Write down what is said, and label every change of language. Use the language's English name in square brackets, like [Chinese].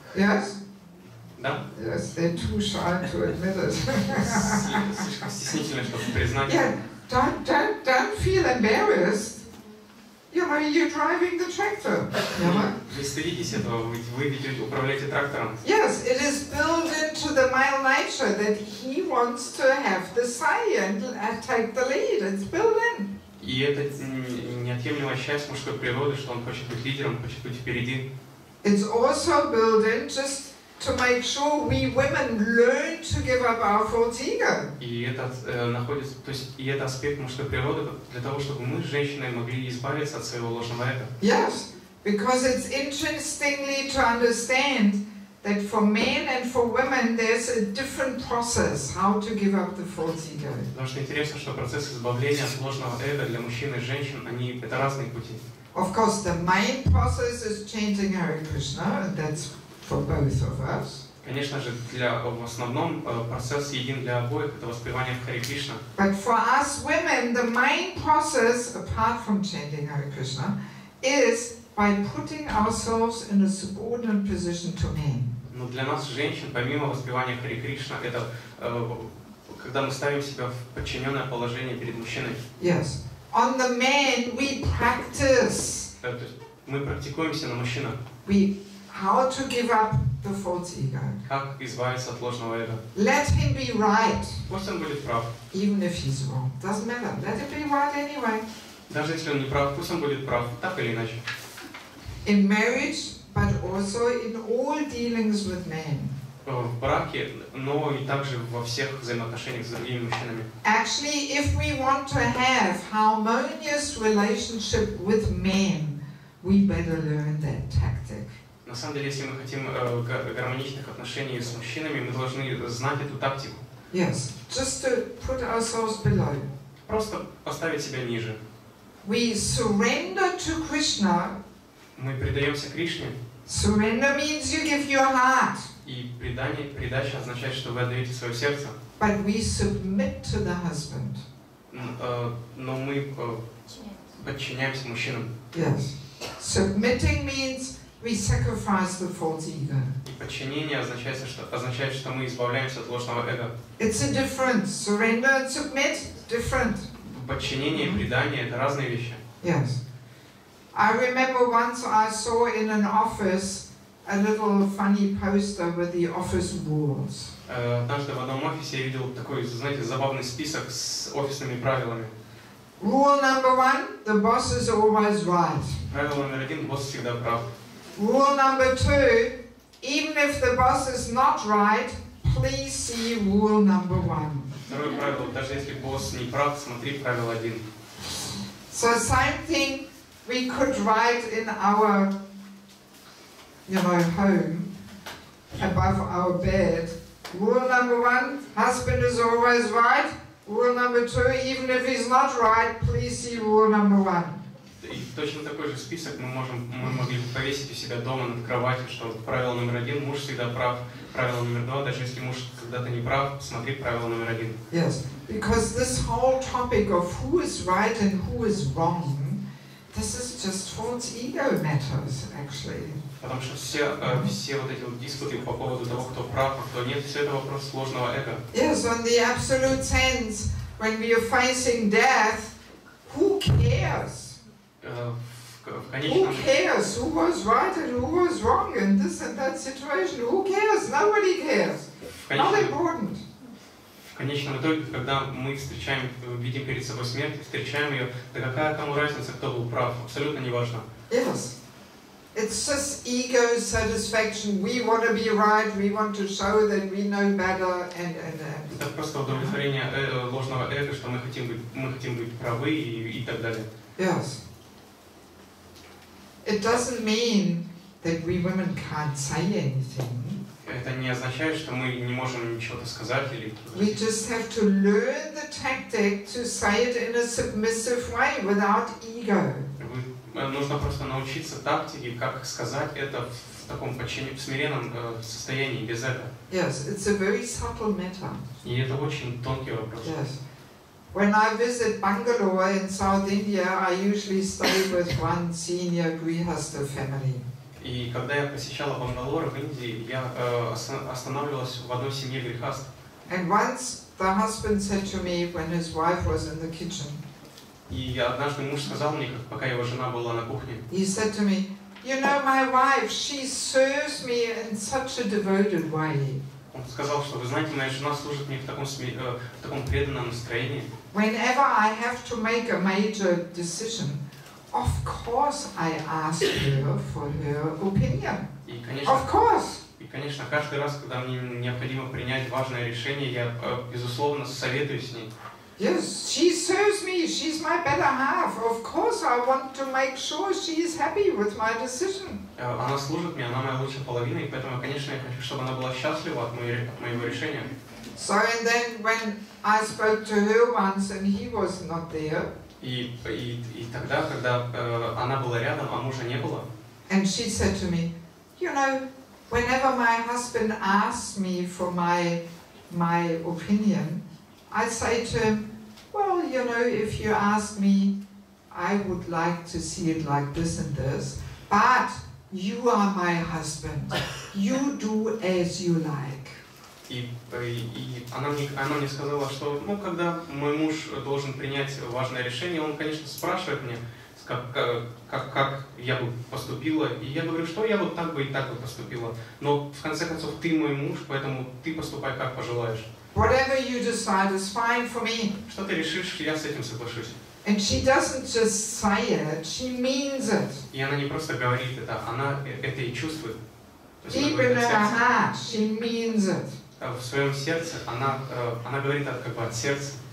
[English] Yes. [Russian] Да? [English] Yes, they're too shy to admit it. [Russian] Слишком стеснительно, чтобы признать. [English] Yeah. Don't feel embarrassed. You know, you're driving the tractor. [Russian] Не стыдитесь этого, вы ведете, управляете трактором. [English] Yes, it is built into the male nature that he wants to have the say and take the lead. It's built in. [Russian] И это неотъемлемая часть мужской природы, что он хочет быть лидером, хочет быть впереди. [English] It's also built in just to make sure we women learn to give up our false ego. [Russian] И этот находится, то есть и это аспект мужской природы для того, чтобы мы женщины могли избавиться от своего ложного эго. [English] Yes, because it's interestingly to understand that for men and for women there's a different process how to give up the false ego. [Russian] Потому что интересно, что процесс избавления от ложного эго для мужчин и женщин, они это разные пути. [English] Of course, the main process is chanting Hare Krishna. That's for both of us. [Russian] Конечно же, для в основном процесс един для обоих, это воспевание Хари Кришна. [English] But for us women, the main process, apart from chanting Hare Krishna, is by putting ourselves in a subordinate position to men. [Russian] Но для нас женщин, помимо воспевания Хари Кришна, это когда мы ставим себя в подчиненное положение перед мужчиной. [English] Yes. On the man, we practice. [Russian] То есть мы практикуемся на мужчинах. [English] How to give up the false ego? [Russian] Как избавиться от ложного эго? [English] Let him be right. [Russian] Пусть он будет прав. [English] Even if he's wrong, doesn't matter. Let him be right anyway. [Russian] Даже если он не прав, пусть он будет прав, так или иначе. [English] In marriage, but also in all dealings with men. [Russian] В браке, но и также во всех взаимоотношениях с другими мужчинами. [English] Actually, if we want to have harmonious relationship with men, we better learn that tactic. [Russian] На самом деле, если мы хотим гармоничных отношений с мужчинами, мы должны знать эту тактику. [English] Yes, just to put ourselves below. [Russian] Просто поставить себя ниже. [English] We surrender to Krishna [Russian] Мы предаемся Кришне. [English] Surrender means you give your heart. [Russian] И предание, предача означает, что вы отдаете свое сердце. [English] But we submit to the husband. [Russian] Но мы подчиняемся мужчинам. [English] Yes. Submitting means we sacrifice the false ego. [Russian] И подчинение означает, что мы избавляемся от ложного эго. [English] It's a difference. Surrender and submit different. [Russian] Подчинение и предание — это разные вещи. [English] Yes. I remember once I saw in an office a little funny poster with the office rules. [Russian] Однажды в одном офисе я видел такой, знаете, забавный список с офисными правилами. [English] Rule number one: the boss is always right. [Russian] Правило номер один: босс всегда прав. [English] Rule number two: even if the boss is not right, please see rule number one. [Russian] Второе правило: даже если босс не прав, смотри правило один. [English] So same thing we could write in our, you know, home, above our bed. Rule number one: husband is always right. Rule number two: even if he's not right, please see rule number one. [Russian] И точно такой же список мы могли повесить у себя дома над кроватью, что правило номер один: муж всегда прав. Правило номер два: даже если муж когда-то не прав, смотри правило номер один. [English] Yes, because this whole topic of who is right and who is wrong, this is just false ego matters, actually. [Russian] Потому что все вот эти вот диспуты по поводу того, кто прав, а кто нет, все это вопрос сложного эго. [English] Yes, in the absolute sense, when we are facing death, who cares? Who cares? Who was right and who was wrong in this and that situation? Who cares? Nobody cares. Not important. [Russian] В конечном итоге, когда мы видим перед собой смерть, встречаем ее, да какая там разница, кто был прав? Абсолютно неважно. [English] Yes. It's just ego satisfaction. We want to be right. We want to show that we know better. And. [Russian] Это просто удовлетворение ложного эго, что мы хотим быть правы и так далее. [English] Yes. It doesn't mean that we women can't say anything. [Russian] Это не означает, что мы не можем ничего-то сказать или. [English] We just have to learn the tactic to say it in a submissive way without ego. [Russian] Нужно просто научиться тактике, как сказать это в таком смиренном состоянии, без эго. [English] Yes, it's a very subtle matter. [Russian] И это очень тонкий вопрос. [English] Yes. When I visit Bangalore in South India, I usually stay with one senior Grihastha family. [Russian] И когда я посещала Бангалор в Индии, я останавливалась в одной семье Грихаст. [English] And once the husband said to me when his wife was in the kitchen. [Russian] И однажды муж сказал мне, пока его жена была на кухне. [English] He said to me, you know, my wife, she serves me in such a devoted way. [Russian] Он сказал, что вы знаете, моя жена служит мне в таком преданном настроении. [English] Whenever I have to make a major decision, of course I ask her for her opinion. [Russian] И, конечно, [English] of course. [Russian] И, конечно, каждый раз, когда мне необходимо принять важное решение, я безусловно советуюсь с ней. [English] Yes, she serves me. She's my better half. Of course, I want to make sure she is happy with my decision. [Russian] Она служит мне, она моя лучшая половина, и поэтому, конечно, я хочу, чтобы она была счастлива от моего решения. [English] So and then when I spoke to her once and he was not there. [Russian] И тогда, когда она была рядом, а мужа не было. [English] And she said to me, you know, whenever my husband asks me for my opinion. I say to him, well, you know, if you ask me, I would like to see it like this and this, but you are my husband. You do as you like. [Russian] И она мне сказала, что, ну, когда мой муж должен принять важное решение, он, конечно, спрашивает меня, как я бы поступила, и я говорю, что я вот так бы и так бы поступила, но, в конце концов, ты мой муж, поэтому ты поступай, как пожелаешь. [English] Whatever you decide is fine for me. [Russian] Что ты решишь, я с этим соглашусь. [English] And she doesn't just say it, she means it. [Russian] И она не просто говорит это, она это и чувствует. [English] Deep in her heart, she means it. [Russian] В своем сердце она говорит это как бы от сердца.